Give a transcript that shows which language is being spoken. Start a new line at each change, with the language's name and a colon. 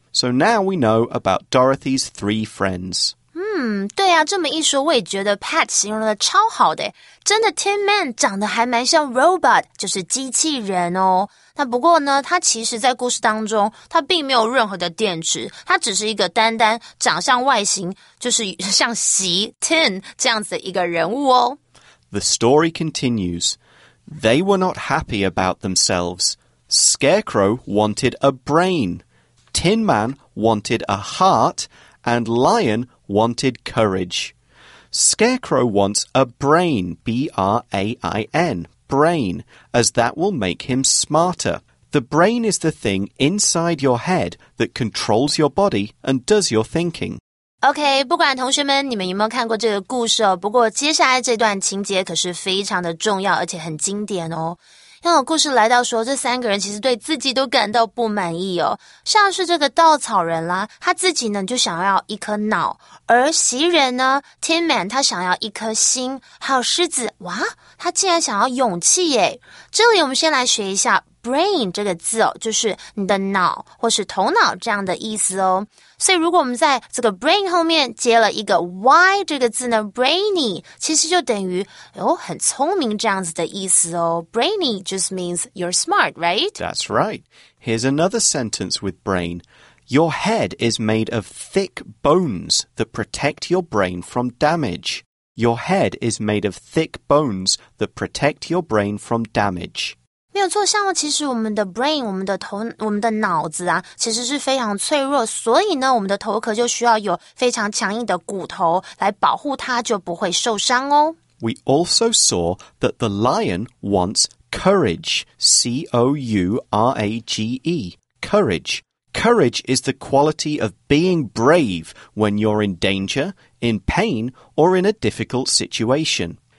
English: So now we know about Dorothy's three friends.
Chinese: 对啊，这么一说我也觉得 Pat 形容的超好的。真的 Tin Man 长得还蛮像 Robot, 就是机器人哦。那不过呢，他其实在故事当中他并没有任何的电池，他只是一个单单长相外形就是像席 Tin 这样子的一个人物哦。
English: The story continues. They were not happy about themselves. Scarecrow wanted a brain. Tin Man wanted a heart. And Lion wanted courage. Scarecrow wants a brain, B-R-A-I-N, brain, as that will make him smarter. The brain is the thing inside your head that controls your body and does your thinking.
Chinese: OK, 不管同学们你们有没有看过这个故事哦，不过接下来这段情节可是非常的重要而且很经典哦。因为故事来到说这三个人其实对自己都感到不满意哦。像是这个稻草人啦，他自己呢就想要一颗脑，而袭人呢 ,Tin Man, 他想要一颗心，还有狮子，哇，他竟然想要勇气耶。这里我们先来学一下Brain 这个字哦，就是你的脑或是头脑这样的意思哦。所以如果我们在这个 brain 后面接了一个 y 这个字呢 ，brainy 其实就等于很聪明这样子的意思哦。
English: Brainy just means you're smart, right? That's right. Here's another sentence with brain. Your head is made of thick bones that protect your brain from damage. Your head is made of thick bones that protect your brain from damage.
Chinese: 没有错，像其实我们的 brain, 我们的头，我们的脑子啊，其实是非常脆弱，所以呢，我们的头壳就需要有非常强硬的骨头来保护它，就不会受伤哦。
English: We also saw that the lion wants courage, C-O-U-R-A-G-E, courage. Courage is the quality of being brave when you're in danger, in pain, or in a difficult situation.